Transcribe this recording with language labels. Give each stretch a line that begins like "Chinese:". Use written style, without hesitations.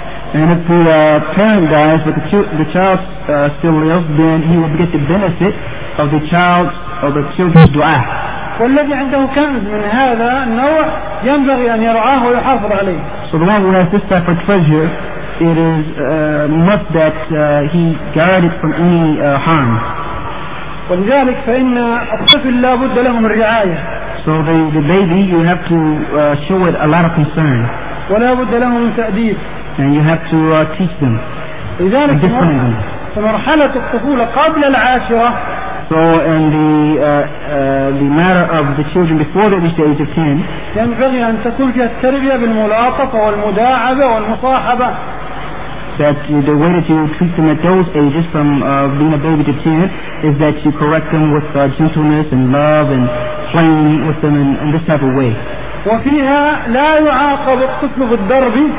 English: And if the parent dies but the child still lives, then he will get the benefit of the child's or the children's dua.
Arabic: والذي عنده كنز من هذا النوع ينبغي أن يرعاه ويحافظ عليه.
English: So the one who has this type of treasure, it is must that he guard it from any harm.
Arabic: ولذلك فإن الطفل لا بد له من الرعاية.
English: So the baby, you have to show it a lot of concern.
Arabic: ولا بد له من تأديب.
English: And you have to teach them.
Arabic: لذلك فمرحلة الطفولة قبل العاشرة.
English: So in the matter of the children before they reach the age of 10, that the way that you treat them at those ages, from being a baby to 10, is that you correct them with gentleness and love and playing with them in this type of way.
Arabic: وفيها لا يعاقب الطفل بالضرب.